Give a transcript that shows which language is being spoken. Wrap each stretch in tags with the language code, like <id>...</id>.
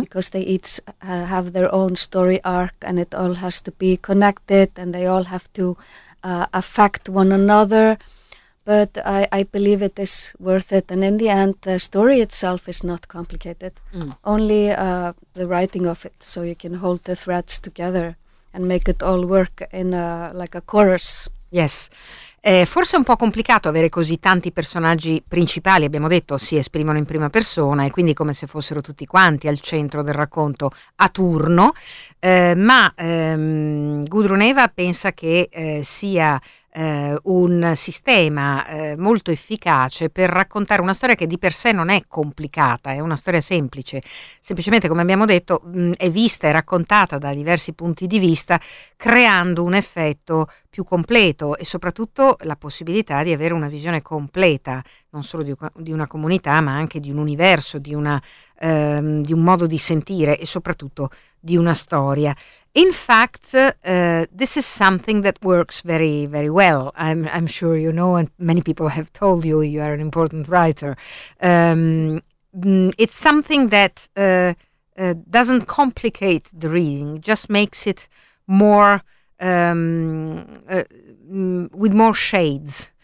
<en>because they each have their own story arc, and it all has to be connected, and they all have to affect one another. But I believe it is worth it, and in the end, the story itself is not complicated. Mm. Only the writing of it, so you can hold the threads together and make it all work in a, like a chorus. Yes.</en> <it>Forse è un po' complicato avere così tanti personaggi principali, abbiamo detto, si esprimono in prima persona e quindi come se fossero tutti quanti al centro del racconto a turno, ma Gudrun Eva pensa che sia un sistema molto efficace per raccontare una storia che di per sé non è complicata, è una storia semplice, semplicemente, come abbiamo detto, è vista e raccontata da diversi punti di vista, creando un effetto più completo e soprattutto la possibilità di avere una visione completa non solo di una comunità, ma anche di un universo, di una di un modo di sentire e soprattutto di una storia.</it> <en>In fact, this is something that works very, very well. I'm sure you know, and many people have told you, you are an important writer. It's something that doesn't complicate the reading, just makes it more, with more shades,</en>